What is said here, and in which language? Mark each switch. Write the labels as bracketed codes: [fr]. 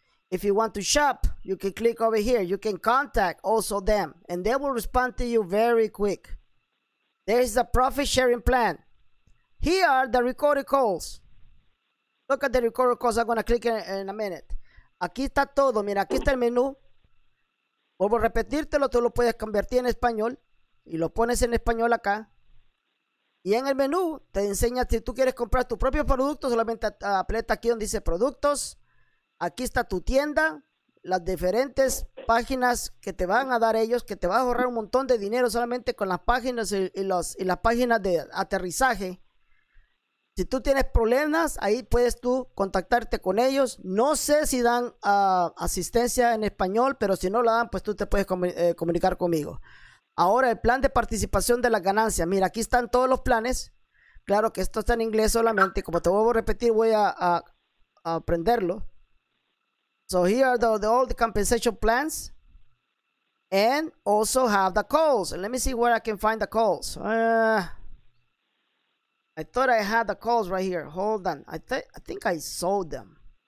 [en] If you want to shop, you can click over here. You can contact also them, and they will respond to you very quick. There is a profit sharing plan. Here are the recorded calls. Look at the recorded calls. I'm going to click in a minute. [es] Aquí está todo. Mira, aquí está el menú. Vuelvo a repetírtelo. Tú lo puedes convertir en español y lo pones en español acá. Y en el menú te enseña si tú quieres comprar tu propio producto. Solamente aprieta aquí donde dice productos. Aquí está tu tienda, las diferentes páginas que te van a dar ellos, que te va a ahorrar un montón de dinero solamente con las páginas y las páginas de aterrizaje. Si tú tienes problemas, ahí puedes tú contactarte con ellos. No sé si dan asistencia en español, pero si no la dan, pues tú te puedes comunicar conmigo. Ahora, el plan de participación de las ganancias. Mira, aquí están todos los planes. Claro que esto está en inglés solamente. Como te vuelvo a repetir, voy a aprenderlo. [en] So here are the all the compensation plans and also have the calls. Let me see where I can find the calls. I thought I had the calls right here. Hold on. I think I sold them.